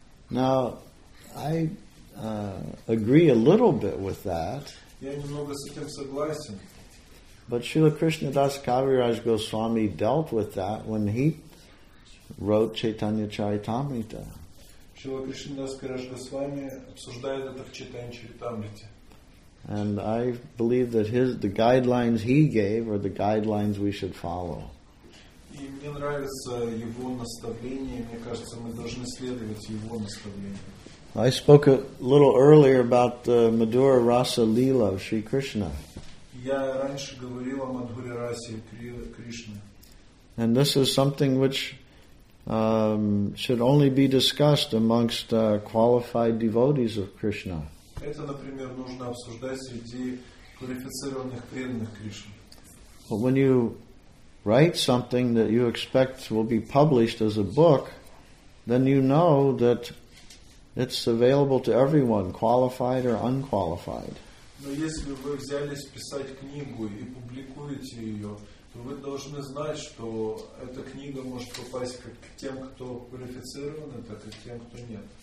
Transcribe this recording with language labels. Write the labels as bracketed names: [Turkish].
[English] Now, I agree a little bit with that. [Russian] Я немного с этим согласен. [English] But Srila Krishnadas Kaviraj Goswami dealt with that when he wrote Chaitanya Charitamrita. [Russian] Srila Krishnadas Kaviraj Goswami обсуждает это в Chaitanya Charitamrita. [English] And I believe that the guidelines he gave are the guidelines we should follow. [Russian] И мне нравится его наставление. Мне кажется, мы должны следовать его наставлению. [English] I spoke a little earlier about the Madhura Rasa Lila of Sri Krishna. [Russian] Я раньше говорил о Мадхуре Расе Кришны. [English] And this is something which should only be discussed amongst qualified devotees of Krishna. [Russian] Это, например, нужно обсуждать среди квалифицированных преданных Кришны. [English] But when you write something that you expect will be published as a book, then you know that it's available to everyone, qualified or unqualified. [Russian] Но если вы взялись писать книгу и публикуете ее, то вы должны знать, что эта книга может попасть как к тем, кто квалифицирован, так и к тем, кто нет.